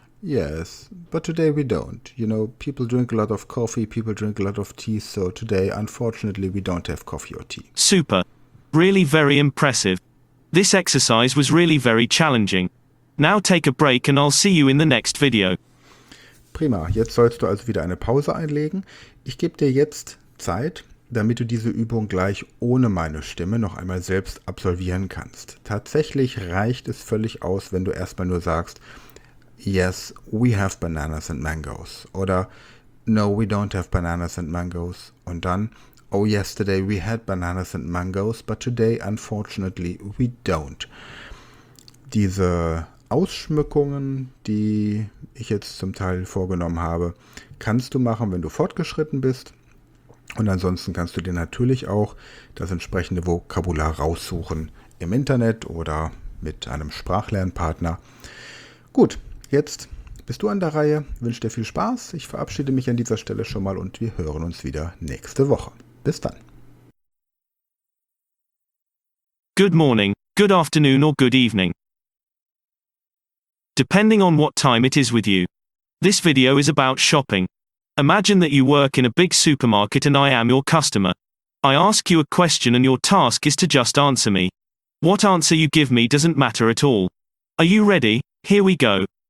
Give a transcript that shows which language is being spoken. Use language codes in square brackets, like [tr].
[en] Yes, but today we don't. You know, people drink a lot of coffee, people drink a lot of tea, so today, unfortunately, we don't have coffee or tea. Super. Really very impressive. This exercise was really very challenging. Now take a break and I'll see you in the next video. [de] Prima, jetzt sollst du also wieder eine Pause einlegen. Ich gebe dir jetzt Zeit, damit du diese Übung gleich ohne meine Stimme noch einmal selbst absolvieren kannst. Tatsächlich reicht es völlig aus, wenn du erstmal nur sagst, [en] yes, we have bananas and mangoes. [de] Oder [en] no, we don't have bananas and mangoes. [de] Und dann, [en] Oh, yesterday we had bananas and mangoes, but today unfortunately we don't. [de] Diese Ausschmückungen, die ich jetzt zum Teil vorgenommen habe, kannst du machen, wenn du fortgeschritten bist. Und ansonsten kannst du dir natürlich auch das entsprechende Vokabular raussuchen im Internet oder mit einem Sprachlernpartner. Gut, jetzt bist du an der Reihe. Ich wünsche dir viel Spaß. Ich verabschiede mich an dieser Stelle schon mal und wir hören uns wieder nächste Woche. Bis dann. [en] Good morning, good afternoon or good evening. Depending on what time it is with you. This video is about shopping. Imagine that you work in a big supermarket and I am your customer. I ask you a question and your task is to just answer me. What answer you give me doesn't matter at all. Are you ready? Here we go.